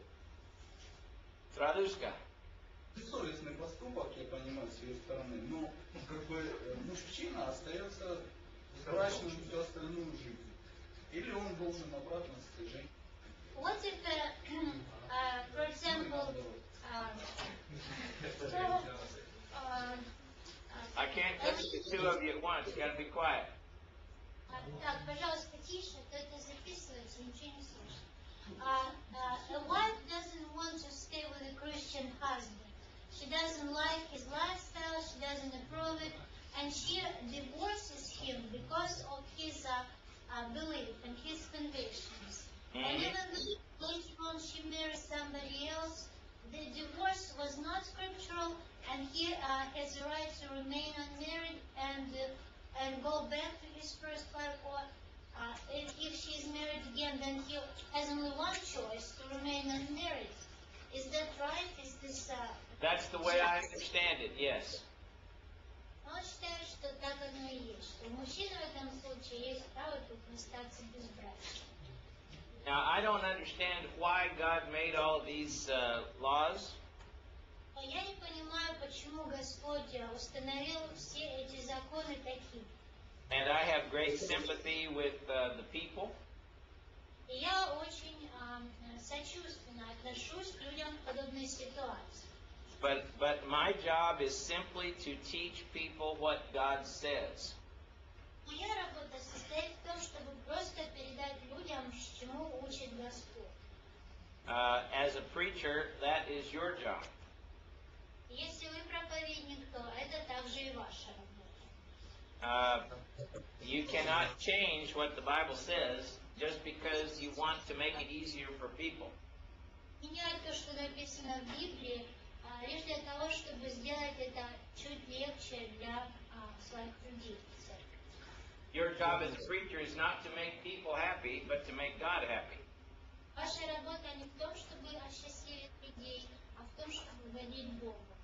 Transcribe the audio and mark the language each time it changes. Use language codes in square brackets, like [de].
[ru] подходит. Радужка. Бессовестный поступок, я понимаю, с ее стороны, но как бы мужчина остается брачным всю остальную жизнь. Или он должен обратно с этой женщиной. [en] What if the, for example, I can't touch the two of you at once. You gotta be quiet. [ru] Так, пожалуйста, тише. Это записывается, ничего не слышно. [en] A wife doesn't want to stay with a Christian husband. She doesn't like his lifestyle. She doesn't approve it, and she divorces him because of his belief and his convictions. And even though later on she marries somebody else, the divorce was not scriptural, and he has the right to remain unmarried and go back to his first wife. Or if she is married again, then he has only one choice, to remain unmarried. Is that right? Is this That's the way I understand it, yes. [ru] Он считает, что так оно и есть, что мужчина в этом случае есть право тут остаться без брака. [en] Now, I don't understand why God made all these laws. [ru] Я не понимаю, почему Господь установил все эти законы такие. [en] And I have great sympathy with the people. [ru] Я очень сочувственно отношусь к людям в подобной ситуации. [en] But my job is simply to teach people what God says. [ru] Моя работа состоит в том, чтобы просто передать людям, чему учит Господь. [en] As a preacher, that is your job. [ru] Если вы проповедник, то это также и ваша работа. [en] You cannot change what the Bible says just because you want to make it easier for people. [ru] Менять то, что написано в Библии, лишь для того, чтобы сделать это чуть легче для своих людей. [en] Your job as a preacher is not to make people happy, but to make God happy. [ru] Ваша работа не в том, чтобы осчастливить людей, а в том, чтобы угодить Богу.